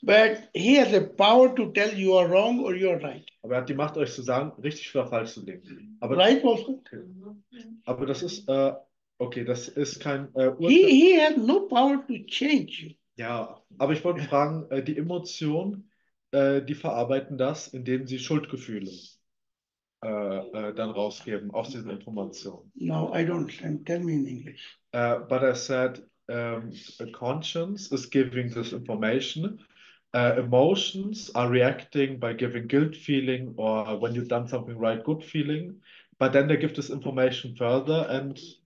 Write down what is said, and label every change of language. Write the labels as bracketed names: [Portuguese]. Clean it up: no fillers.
[English] But he has the power to tell you are wrong or you are right. [German] Aber er hat die Macht, euch zu sagen, richtig oder falsch zu denken. Aber, [English] right, Wolfgang? [German] Okay. Aber das ist, okay, das ist kein Urteil. [English] He has no power to change you. [German] Ja, aber ich wollte fragen, die Emotionen, die verarbeiten das, indem sie Schuldgefühle dann rausgeben aus dieser Information. [English] No, I don't tell me in English. But I said, conscience is giving this information. Emotions are reacting by giving guilt feeling or when you've done something right, good feeling. But then they give this information further and